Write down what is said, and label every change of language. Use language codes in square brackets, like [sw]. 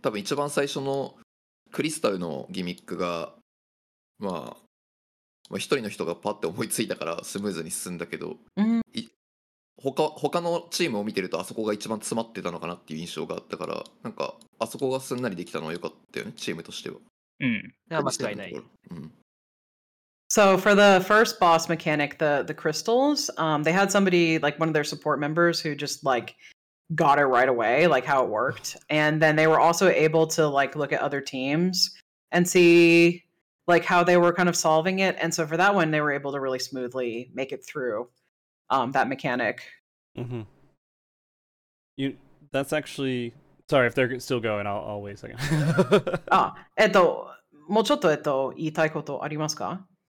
[ja] 多分一番最初のクリスタルのギミックが、まあ、まあ、一人の人がパッて思いついたからスムーズに進んだけど、他のチームを見てるとあそこが一番詰まってたのかなっていう印象があったから、なんかあそこがすんなりできたのは良かったよね、チームとしては。うん。間違いない。うん。 [en] So for the first boss mechanic, the crystals, they had somebody, like one of their support members who just like got it right away, like how it worked. And then they were also able to like look at other teams and see like how they were kind of solving it. And so for that one, they were able to really smoothly make it through that mechanic. Mm-hmm. You, that's actually, sorry, if they're still going, I'll wait a second. Ah, [ja] もうちょっと言いたいことありますか？